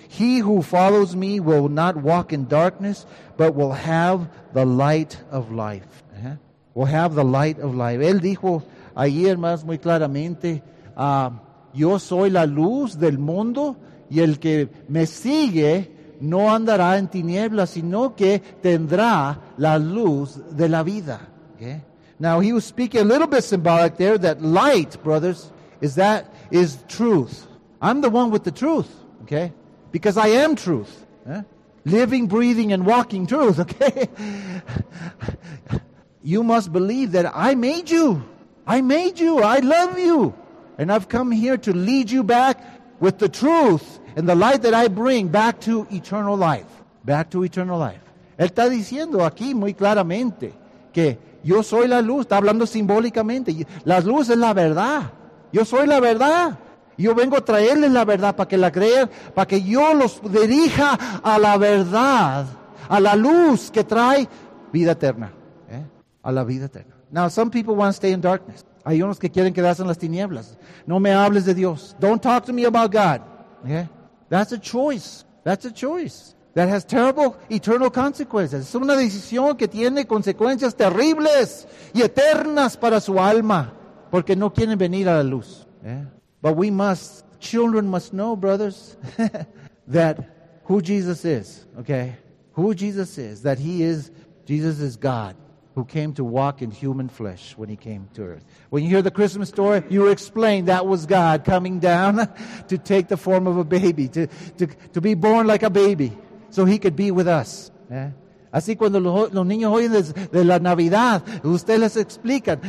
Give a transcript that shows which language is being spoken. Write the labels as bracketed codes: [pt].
[en] He who follows me will not walk in darkness, but will have the light of life. Uh-huh. Will have the light of life. [es] Él dijo ahí, hermanos, muy claramente, yo soy la luz del mundo, y el que me sigue no andará en tinieblas, sino que tendrá la luz de la vida. [en] Okay? Now, he was speaking a little bit symbolic there, that light, brothers, is truth. I'm the one with the truth, okay? Because I am truth. Eh? Living, breathing, and walking truth, okay? You must believe that I made you. I made you. I love you. And I've come here to lead you back with the truth and the light that I bring back to eternal life. Back to eternal life. [es] Él está diciendo aquí muy claramente que yo soy la luz. Está hablando simbólicamente. La luz es la verdad. Yo soy la verdad. Yo vengo a traerles la verdad para que la crean, para que yo los dirija a la verdad, a la luz que trae vida eterna. ¿Eh? A la vida eterna. [en] Now, some people want to stay in darkness. [es] Hay unos que quieren quedarse en las tinieblas. No me hables de Dios. [en] Don't talk to me about God. ¿Eh? That's a choice. That's a choice. That has terrible eternal consequences. [es] Es una decisión que tiene consecuencias terribles y eternas para su alma. Porque no quieren venir a la luz. Yeah. [en] But we must, children must know, brothers, that who Jesus is, okay? Who Jesus is, that he is, Jesus is God, who came to walk in human flesh when he came to earth. When you hear the Christmas story, you explain that was God coming down to take the form of a baby, to be born like a baby, so he could be with us, yeah? [es] Así cuando los niños oyen de la Navidad, ustedes les explican.